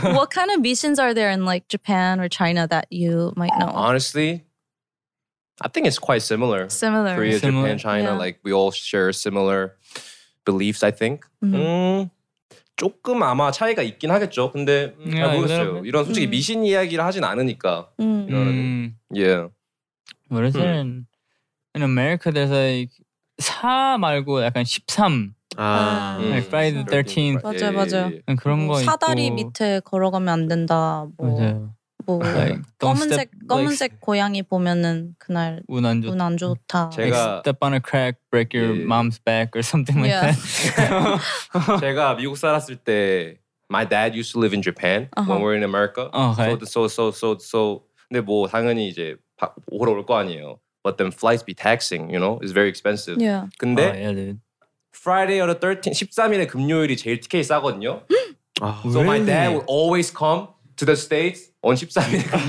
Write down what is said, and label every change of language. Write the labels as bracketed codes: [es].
[en] What kind of missions are there in like Japan or China that you might know? Honestly, I think it's quite similar. Similar. Korea, similar. Japan, China. Yeah. Like we all share similar beliefs, I think. Mm-hmm. [ko] 조금 아마 차이가 있긴 하겠죠. 근데 잘 모르겠어요. 이런 솔직히 미신 이야기를 하진 않으니까. [en] Yeah. What is it in America? There's like [ko] 4 말고 약간 [en] 13. [ko] 아, [en] like Friday the 13th. [ko] 맞아, 맞아. 그런 거 있고. 사다리 밑에 걸어가면 안 된다. 뭐, 맞아요. 뭐 like, 검은색 like, 고양이 보면은 그날 운 안 좋다. 제가 [en] like, step on a crack, break your mom's back or something like that. [ko] 제가 미국 살았을 때, [en] my dad used to live in Japan when we're in America. Okay. So. [ko] 근데 뭐 당연히 이제 오래 올 거 아니에요. [en] But then flights be taxing, you know, it's very expensive. Yeah. [ko] 근데 [en] yeah, dude. Friday or the 13th, [ko] 13일에 금요일이 제일 티켓이 싸거든요. 아, [en] so really? My dad would always come to the States on [ko] 13일에 금요일.